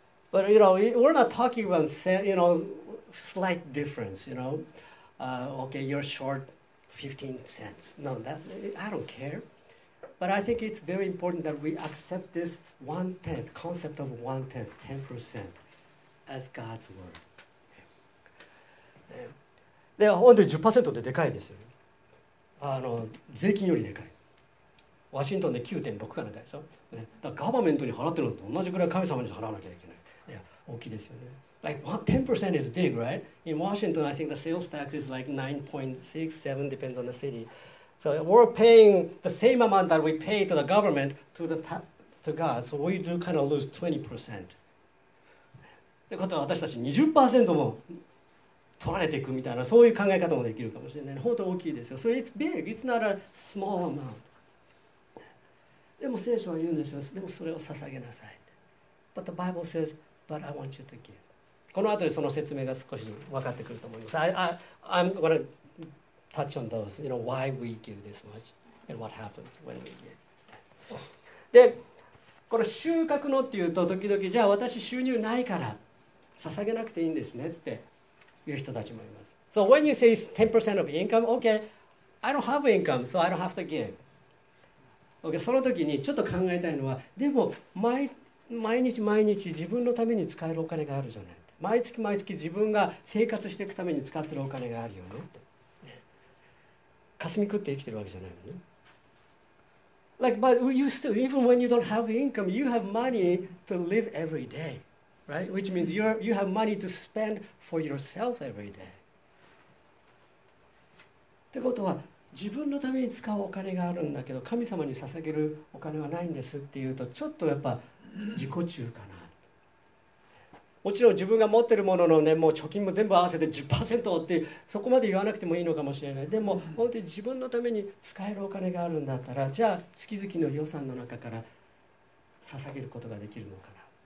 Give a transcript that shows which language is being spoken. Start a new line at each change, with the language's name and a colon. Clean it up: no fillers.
English: But you know, we're not talking about, you know, slight difference, you know. Okay, you're short. 15 cents. No, that I don't care. But I think it's very important that we accept this one tenth concept of one tenth, 10%, as God's word.
Japanese: で、本当に 10% ってでかいですよ。税金よりでかい。ワシントンで 9.6 かなんかでしょ。だからガバメントに払ってるのと同じくらい神様に払わなきゃいけない。いや、大きいですよね。
English: Like 10% is big, right? In Washington, I think the sales tax is like 9.67, depends on the city. So we're paying the same amount that we pay to the government to the to God. So we do kind of lose 20%.
Japanese: ってことは私たち 20% も取られていくみたいな、そういう考え方もできるかもしれない。本当大きいですよ。
English: So it's big. It's not a small amount.
Japanese: でも聖書は言うんですよ。でもそれを捧げなさい。
English: But the Bible says, but I want you to give.
Japanese: この後でその説明が少し分かってくると思います。
English: I'm gonna touch on those, you know, why we give this much and what happens when we give.
Japanese: で、この収穫のっていうと、時々、じゃあ私収入ないから捧げなくていいんですねっていう人たちもいます。
English: So when you say 10% of income, okay, I don't have income, so I don't have to give.
Japanese: Okay, その時にちょっと考えたいのは、でも毎日毎日自分のために使えるお金があるじゃない。毎月毎月自分が生活していくために使ってるお金があるよねって。霞食って生きてるわけじゃないよね。
English: Like, but you still, even when you don't have income, you have money to live every day, right? Which means you have money to spend for yourself every day.
Japanese: ってことは、自分のために使うお金があるんだけど、神様に捧げるお金はないんですっていうと、ちょっとやっぱ自己中かな。もちろん自分が持ってるもののね、もう貯金も全部合わせて 10% ってそこまで言わなくてもいいのかもしれない。でも本当に自分のために使えるお金があるんだったら、じゃあ月々の予算の中から捧げることができるのかな。